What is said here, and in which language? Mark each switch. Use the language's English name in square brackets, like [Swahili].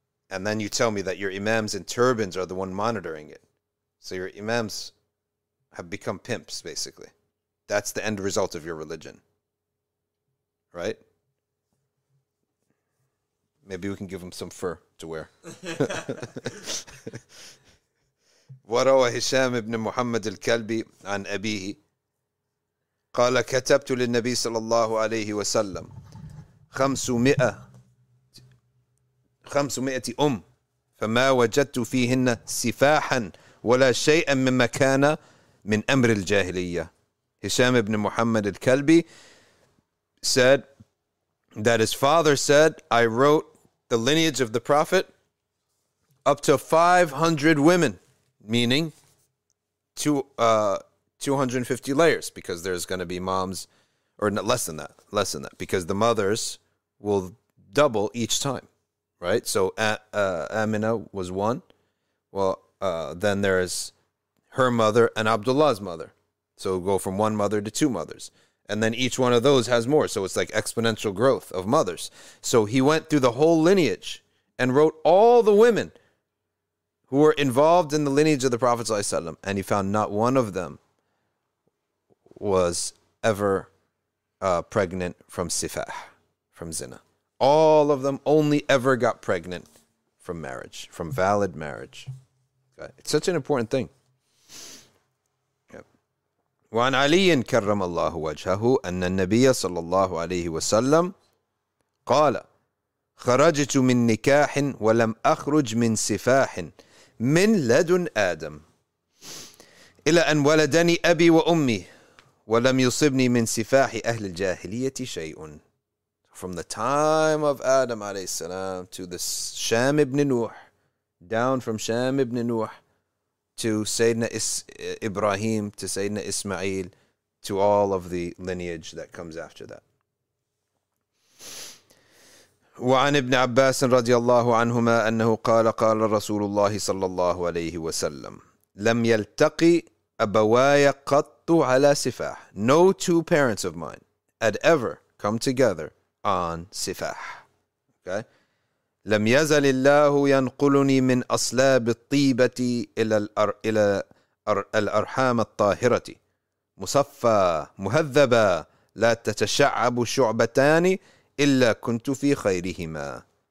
[English] And then you tell me that your imams and turbans are the one monitoring it. So your imams have become pimps, basically. That's the end result of your religion. Right? Maybe we can give them some fur to wear. [Arabic] وروى هشام بن محمد الكلبي عن أبيه قال كتبت للنبي صلى الله عليه وسلم 500 أم فما وجدت فيهن سفاحا ولا شيئا مما كان من أمر الجاهلية. [English] هشام بن محمد الكلبي said that his father said, I wrote the lineage of the Prophet up to 500 women. Meaning, 250 layers, because there's going to be moms, or no, less than that, because the mothers will double each time, right? So Amina was one. Well, then there's her mother and Abdullah's mother. So go from one mother to two mothers. And then each one of those has more. So it's like exponential growth of mothers. So he went through the whole lineage and wrote all the women who were involved in the lineage of the Prophet ﷺ, and he found not one of them was ever pregnant from sifah, from zina. All of them only ever got pregnant from marriage, from valid marriage. Okay. It's such an important thing. [Arabic] وَعَنْ عَلِيٍّ كَرَّمَ اللَّهُ وَجْهَهُ أَنَّ النَّبِيَّ صَلَّى اللَّهُ عَلَيْهِ وَسَلَّمْ قَالَ خَرَجْتُ مِنْ نِكَاحٍ وَلَمْ أَخْرُجْ مِنْ سِفَاحٍ من لدن آدم إلى أن ولدني أبي وأمي ولم يصبني من سفاح أهل الجاهلية شيء. [English] From the time of Adam [Arabic] عليه السلام [English] to the Sham ibn Nuh, down from Sham ibn Nuh to Sayyidina Ibrahim to Sayyidina Ismail to all of the lineage that comes after that. [Arabic] وعن ابن عباس رضي الله عنهما أنه قال قال رسول الله صلى الله عليه وسلم لم يلتقي أبواي قط على سفاح. [English] No two parents of mine had ever come together on سفاح. Okay. [Arabic] لم يزل الله ينقلني من أصلاب الطيبة إلى الأرحام الطاهرة مصفى مهذبة لا تتشعب شعبتان إلا كنت في خيرهما.